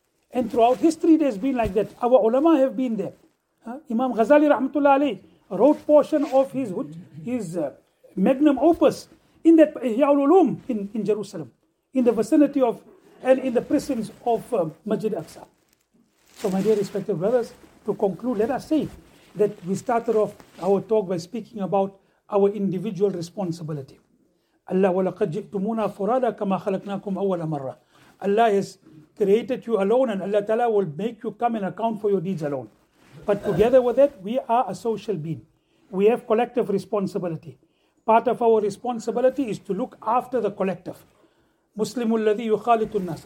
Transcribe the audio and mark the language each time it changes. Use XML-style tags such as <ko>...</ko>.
<en>And throughout history, it has been like that. Our ulama have been there. Imam Ghazali rahmatullah alayhi wrote portion of his magnum opus in that Ihya'ul Ulum in Jerusalem, in the vicinity of and in the precincts of Masjid Aqsa. So my dear respected brothers, to conclude, let us say that we started off our talk by speaking about our individual responsibility.</en> <ar>Allah وَلَقَدْ جِئْتُمُونَا فُرَادَ كَمَا خَلَقْنَاكُمْ أَوَّلَ مَرَّةٍ.</ar> <en>Allah has created you alone, and Allah Ta'ala will make you come and account for your deeds alone. But together with that, we are a social being. We have collective responsibility. Part of our responsibility is to look after the collective.</en> <ar>مُسْلِمُ الَّذِي يُخَالِطُ النَّاسَ.</ar>